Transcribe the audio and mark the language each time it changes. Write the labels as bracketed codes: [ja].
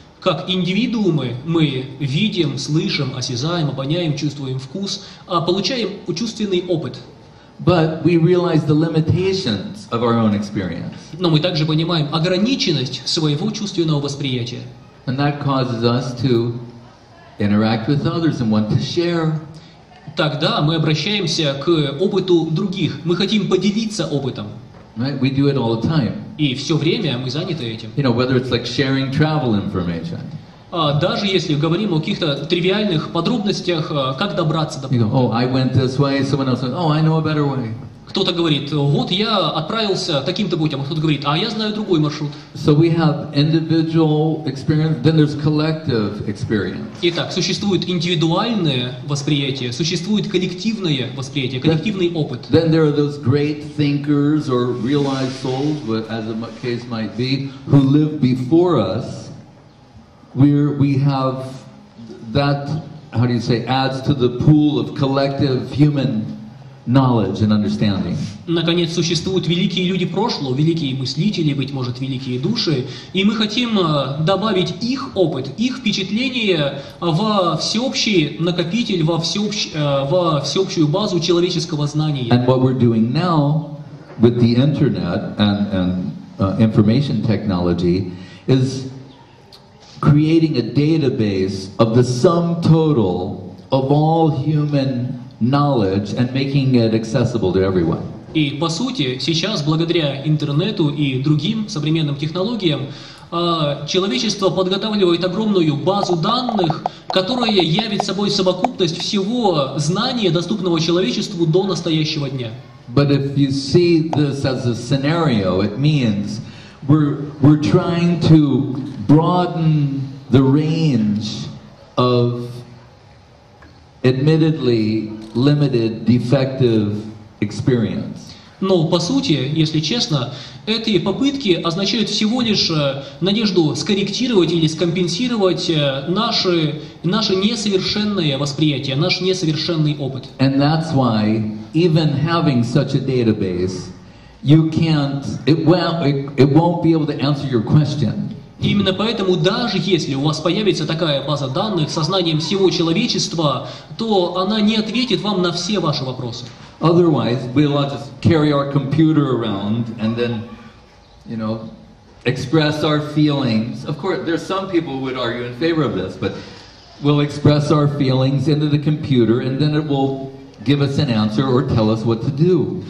[ru] Как индивидуумы мы видим, слышим, осязаем, обоняем, чувствуем вкус, а получаем чувственный опыт. [en] But we realize the limitations of our own experience. [ru] Но мы также понимаем ограниченность своего чувственного восприятия. [en] And that causes us to interact with others and want to share. [ru] Тогда мы обращаемся к опыту других. Мы хотим поделиться опытом. [en] Right, we do it all the time. [ru] И все время мы заняты этим. [en] You know, whether it's like sharing travel information. [ru] Даже если говорим о каких-то тривиальных подробностях, как добраться до. [en] You know, oh, I went this way. Someone else went, oh, I know a better way. [ru] Кто-то говорит, вот я отправился таким-то путем, а кто-то говорит, а я знаю другой маршрут. [en] So we have individual experience, then there's collective experience. [ru] Итак, существует индивидуальное восприятие, существует коллективное восприятие, коллективный опыт. [en] Then there are those great thinkers or realized souls, as the case might be, who live before us, where we have that, how do you say, adds to the pool of collective human knowledge and understanding. [ru] Наконец существуют великие люди прошлого, великие мыслители, быть может, великие души, и мы хотим добавить их опыт, их впечатление во всеобщий накопитель, во всеобщую базу человеческого знания. [en] And what we're doing now with the internet and information technology is creating a database of the sum total of all human knowledge and making it accessible to everyone. [ru] И по сути, сейчас благодаря интернету и другим современным технологиям, человечество подготавливает огромную базу данных, которая явит собой совокупность всего знания, доступного человечеству до настоящего дня. [en] But if you see this as a scenario, it means we're trying to broaden the range of admittedly limited, defective experience. [ru] Но по сути, если честно, эти попытки означают всего лишь надежду скорректировать или скомпенсировать наше несовершенное восприятие, наш несовершенный опыт. [en] And that's why, even having such a database, you can't, it won't be able to answer your question. [ru] Именно поэтому, даже если у вас появится такая база данных со знанием всего человечества, то она не ответит вам на все ваши вопросы. [en] Otherwise, we'll all just carry our computer around and then, you know, express our feelings. Of course, there's some people who would argue in favor of this, but we'll express our feelings into the computer and then it will give us an answer or tell us what to do.